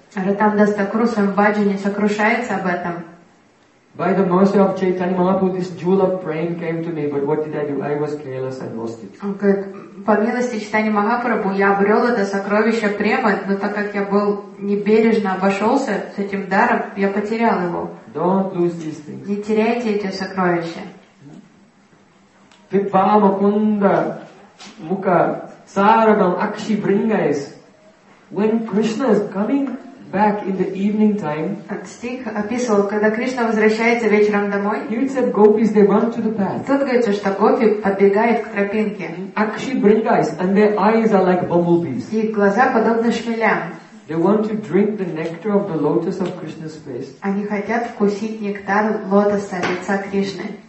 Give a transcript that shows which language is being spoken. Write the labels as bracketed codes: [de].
[ru] Ратам Дас Такур в баджане сокрушается об этом. [en] By the mercy of Chaitanya Mahaprabhu, this jewel of praying came to me, but what did I do? I was careless and lost it. [ru] Он говорит, по милости Чайтани Махапрабху я обрел это сокровище премы, но так как я был небережно обошелся с этим даром, я потерял его. [en] Don't lose these things. [ru] Не теряйте эти сокровища. [sa] Пипама кунда мука сарагам акши брингайс. [en] When Krishna is coming back in the evening time, [ru] стих описывал, когда Кришна возвращается вечером домой. [en] He said, "Gopis, they run to the path." [ru] Тут говорится, что гопи подбегают к тропинке. [en] Akshi bringas, and their eyes are like bumblebees. [ru] Их глаза подобны шмелям. [en] They want to drink the nectar of the lotus of Krishna's face. [ru] Они хотят вкусить нектар лотоса лица Кришны.